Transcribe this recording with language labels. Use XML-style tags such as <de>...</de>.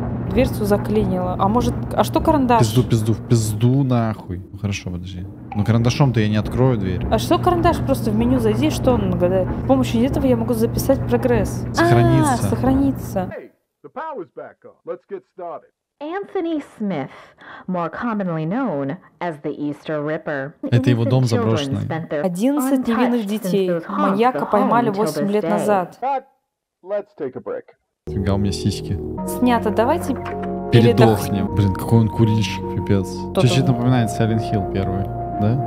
<ru>Дверцу заклинило. А может, а что карандаш? Пизду, пизду, в пизду нахуй. Ну хорошо, подожди. Ну карандашом-то я не открою дверь. А что карандаш? Просто в меню зайди, что он нагадает? С помощью этого я могу записать прогресс. Сохраниться. А, сохраниться.</ru> <en>The power's back on. Let's get started. Anthony Smith, more commonly known as the Easter Ripper.</en> <ru>Это его дом заброшенный. 11 невинных детей. Маньяка поймали 8 лет назад.</ru> <en>Let's take a break.</en> <ru>Фига, у меня сиськи. Снято, давайте передохнем. Блин, какой он курильщик, пипец. Чуть-чуть напоминает Silent Hill первый. Да?</ru>